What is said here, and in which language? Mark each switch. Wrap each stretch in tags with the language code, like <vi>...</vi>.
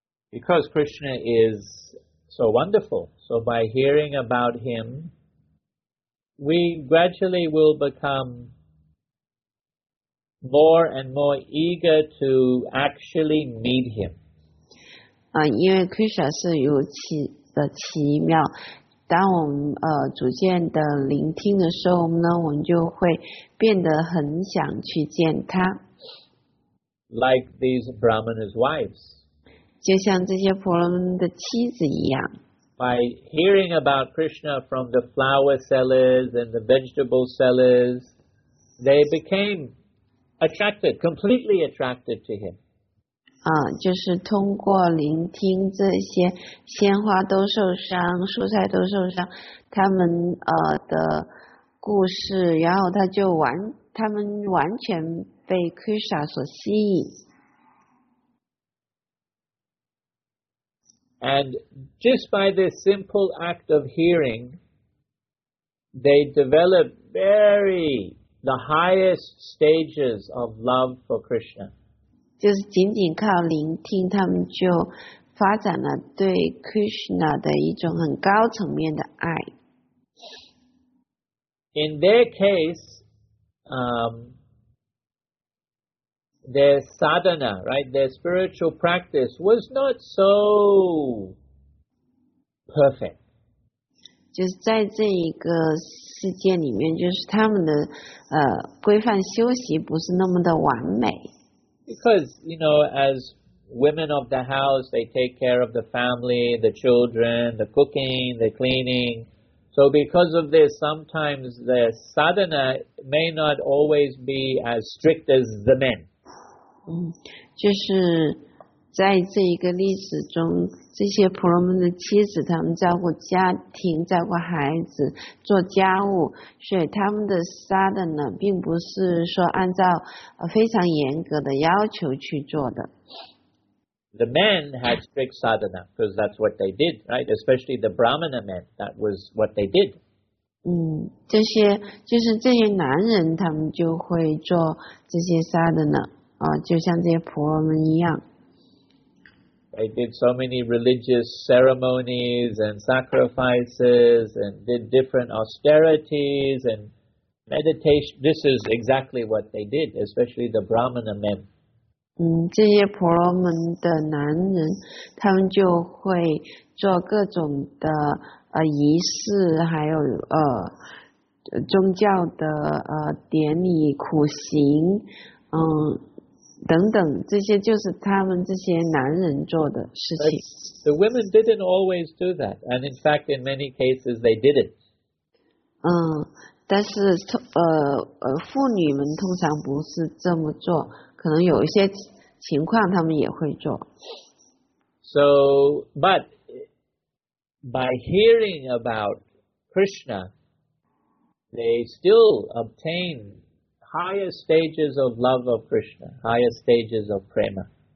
<en>Because Krishna is so wonderful, so by hearing about him, we gradually will become. More and more eager to actually meet him.</en> <zh>因为 Krishna 是如此的奇妙，当我们逐渐的聆听的时候呢，我们就会变得很想去见他。</zh> <en>Like these brahmanas' wives.</en> <zh>就像这些婆罗门的妻子一样。</zh> <en>By hearing about Krishna from the flower sellers and the vegetable sellers, they became attracted, completely attracted to him.</en> <zh>就是通过聆听这些鲜花都受伤，蔬菜都受伤，他们的故事，然后他们完全被 Krishna 所吸引。</zh> <en>And just by this simple act of hearing, they develop the highest stages of love for Krishna.</en> <zh>就是仅仅靠聆听，他们就发展了对 Krishna 的一种很高层面的爱。</zh> <en>In their case, their sadhana, right, their spiritual practice was not so perfect.</en> <zh>就是在这一个世界里面，就是他们的规范修习不是那么的完美。</zh> <en>Because, you know, as women of the house, they take care of the family, the children, the cooking, the cleaning. So So because of this, sometimes the sadhana may not always be as strict as the men.</en> <zh>嗯，就是在这一个例子中，这些婆罗门的妻子，他们照顾家庭、照顾孩子、做家务，所以他们的 sadhana 并不是说按照非常严格的要求去做的。</zh> <en>The men had strict sadhana because that's what they did, right? Especially the brahmana men, that was what they did.</en> <zh>嗯，这些就是这些男人，他们就会做这些 sadhana 啊，就像这些婆罗门一样。</zh> <en>They did so many religious ceremonies and sacrifices, and did different austerities and meditation. This is exactly what they did, especially the brahmana men.</en> <zh>嗯，这些婆罗门的男人，他们就会做各种的仪式，还有宗教的典礼、苦行，嗯，等等，这些就是他们这些男人做的事情。</zh> <en>But the women didn't always do that, and in fact, in many cases, they didn't.</en> <zh>嗯，但是妇女们通常不是这么做，可能有一些。情况他们也会做。</zh> <en>So, but by hearing about Krishna, they still obtain higher stages of love of Krishna, higher stages of prema.</en>